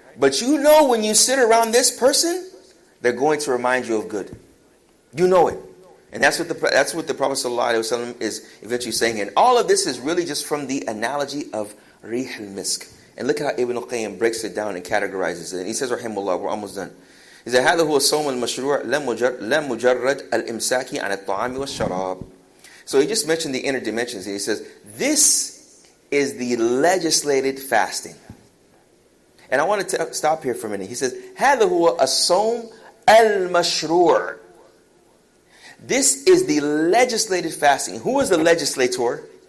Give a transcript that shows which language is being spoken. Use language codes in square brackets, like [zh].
[en] But you know when you sit around this person, they're going to remind you of good. You know it. And that's what the Prophet sallallahu alaihi wasallam is eventually saying. And all of this is really just from the analogy of rih al-misk. And look at how Ibn Qayyim breaks it down and categorizes it. And he says, rahimullah, we're almost done. He said, [ar] هذا هو الصوم المشروع لم مجرد الإمساك عن الطعام والشراب. [en] So he just mentioned the inner dimensions. And he says, this is the legislated fasting. And I want to stop here for a minute. He says, [ar] هذا هو الصوم المشروع. [en] This is the legislated fasting. Who is the legislator?